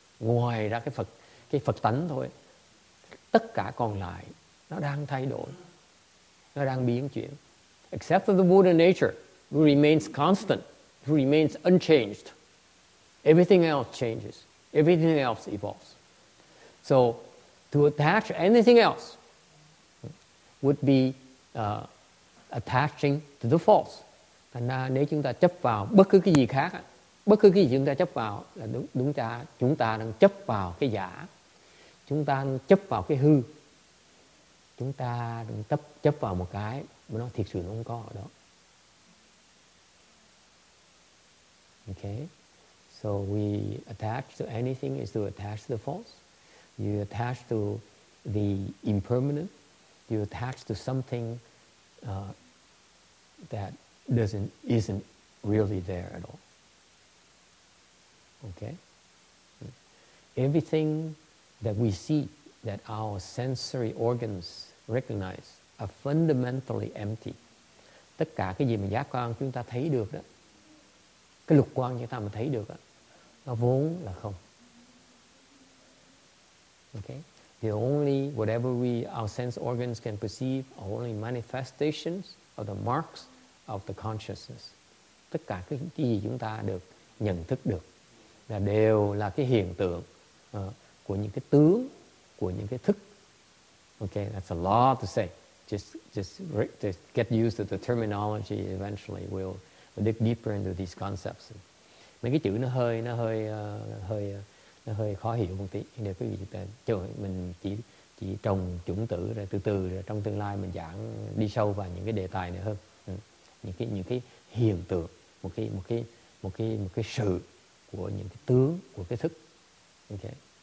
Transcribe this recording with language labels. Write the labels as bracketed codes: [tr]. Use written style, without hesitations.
[vi] Ngoài ra cái Phật tánh thôi. Tất cả còn lại nó đang thay đổi. Nó đang biến chuyển. [en] Except for the Buddha nature, who remains constant, who remains unchanged, everything else changes, everything else evolves. So, to attach anything else would be attaching to the false. [vi] Thành ra nếu chúng ta chấp vào bất cứ cái gì khác, bất cứ cái gì chúng ta chấp vào là đúng cha, chúng ta đang chấp vào cái giả, chúng ta đang chấp vào cái hư, chúng ta đang chấp vào một cái. Mà nó thiệt sự nó không có ở đó. [en] Okay. So we attach to anything is to attach to the false. You attach to the impermanent. You attach to something that isn't really there at all. Okay. Everything that we see, that our sensory organs recognize, are fundamentally empty. [vi] Tất cả cái gì mà giác quan chúng ta thấy được đó, cái lục quan chúng ta mà thấy được đó, nó vốn là không. [en] Okay. The only whatever we our sense organs can perceive are only manifestations of the marks of the consciousness. [vi] Tất cả cái gì chúng ta được nhận thức được là đều là cái hiện tượng của những cái tướng của những cái thức. [en] Okay, that's a lot to say. Just get used to the terminology. Eventually, we'll dig deeper into these concepts. [vi] mấy cái chữ nó hơi khó hiểu một tí. Nhưng nếu quý vị mình chỉ trồng chủng tử rồi từ từ rồi trong tương lai mình giảng đi sâu vào những cái đề tài này hơn, những cái hiện tượng, một cái sự của những cái tướng của cái thức. Okay.